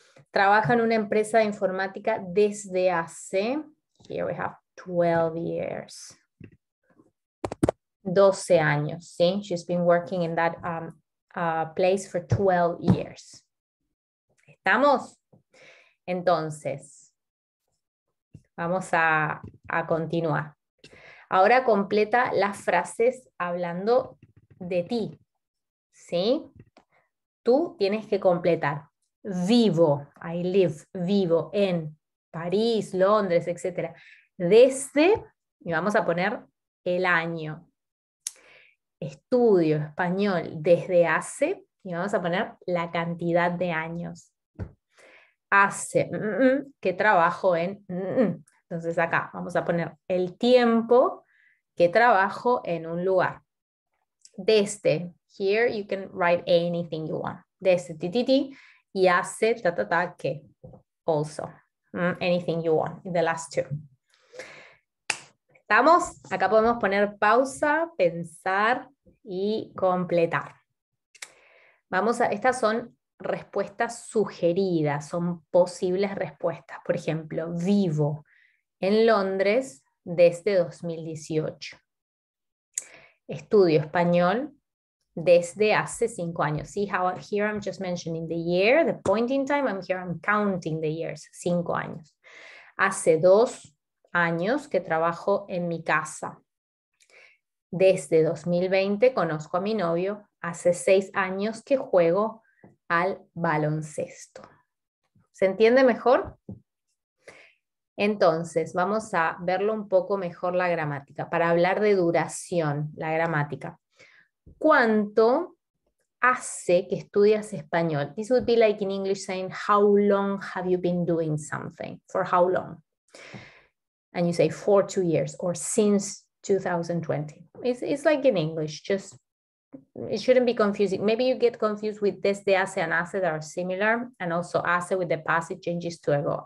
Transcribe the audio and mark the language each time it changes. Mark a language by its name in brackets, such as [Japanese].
[Spanish] Trabaja en una empresa de informática desde hace, [English] here we have 12 years, [Spanish] 12 años, ¿sí? [English] She's been working in that place for 12 years. [Spanish] ¿Estamos? Entonces, vamos a continuar. Ahora completa las frases hablando de ti, ¿sí? Tú tienes que completar. Vivo, [English] I live, [Spanish] vivo en París, Londres, etc. Desde, y vamos a poner el año. Estudio español desde hace, y vamos a poner la cantidad de años. Hace, que trabajo en, entonces acá vamos a poner el tiempo que trabajo en un lugar. [English] Desde, here you can write anything you want. Desde, titi. Y hace, que, also, anything you want, in the last two. [Spanish] ¿Estamos? Acá podemos poner pausa, pensar y completar. Vamos a, estas son respuestas sugeridas, son posibles respuestas. Por ejemplo, vivo en Londres desde 2018. Estudio español desde hace cinco años. [English] See how here I'm just mentioning the year, the point in time, I'm here I'm counting the years, [Spanish] cinco años. Hace dos años que trabajo en mi casa. Desde 2020 conozco a mi novio. Hace seis años que juego al baloncesto. ¿Se entiende mejor? Entonces, vamos a verlo un poco mejor la gramática, para hablar de duración, la gramática. ¿Cuánto hace que estudias español? [English] This would be like in English saying, how long have you been doing something? For how long? And you say, for 2 years, or since 2020. It's like in English, just, it shouldn't be confusing. Maybe you get confused with desde hace and hace that are similar, and also hace with the past, it changes to ago.